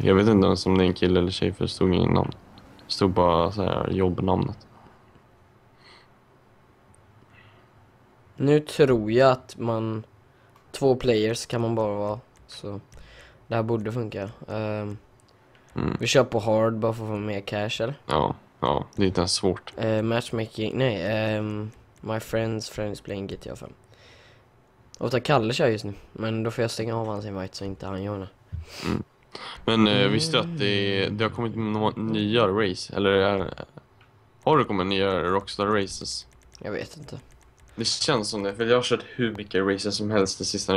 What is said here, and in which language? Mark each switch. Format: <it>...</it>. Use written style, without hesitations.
<sv>Jag vet inte om det är en kille eller tjej, för det stod ingen namn. Det stod bara så här jobbnamnet. Nu tror jag att man... Två players kan man bara vara, så... Det här borde funka. Vi kör på hard bara för att få mer cash, eller? Ja. Ja, det är inte ens svårt. Matchmaking, nej.</sv> <en>My friends, friends playing GTA 5.</en> <sv>Och ta Kalle kör just nu. Men då får jag stänga av hans invite så inte han gör det. Mm. Men visste du att det har kommit några nya race? Eller har det kommit nya Rockstar races? Jag vet inte. Det känns som det, för jag har kört hur mycket races som helst det sista.</sv>